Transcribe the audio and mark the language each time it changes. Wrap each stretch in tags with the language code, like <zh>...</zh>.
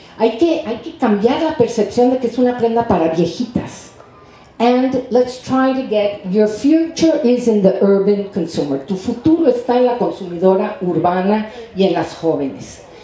<es>Hay que cambiar la percepción de que es una prenda para viejitas.</es> <en>And let's try to get, your future is in the urban consumer.</en> <es>Tu futuro está en la consumidora urbana y en las jóvenes.</es>